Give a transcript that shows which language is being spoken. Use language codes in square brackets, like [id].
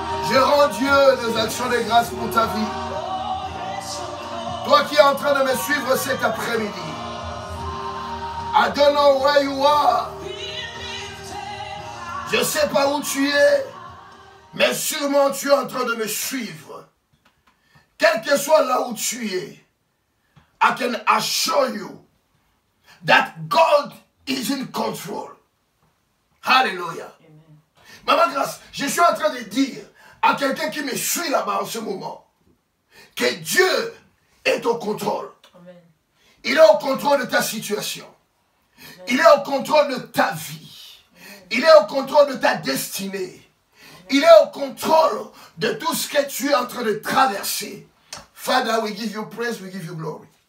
[fr] Je rends Dieu des actions de grâce pour ta vie. Toi qui es en train de me suivre cet après-midi. [en] I don't know where you are. [fr] Je ne sais pas où tu es. Mais sûrement tu es en train de me suivre. Quel que soit là où tu es. [en] I can assure you that God is in control. Hallelujah. [fr] Maman Grâce, je suis en train de dire à quelqu'un qui me suit là-bas en ce moment, que Dieu est au contrôle. Amen. Il est au contrôle de ta situation. Amen. Il est au contrôle de ta vie. Amen. Il est au contrôle de ta destinée. Amen. Il est au contrôle de tout ce que tu es en train de traverser. [en] Father, we give you praise, we give you glory.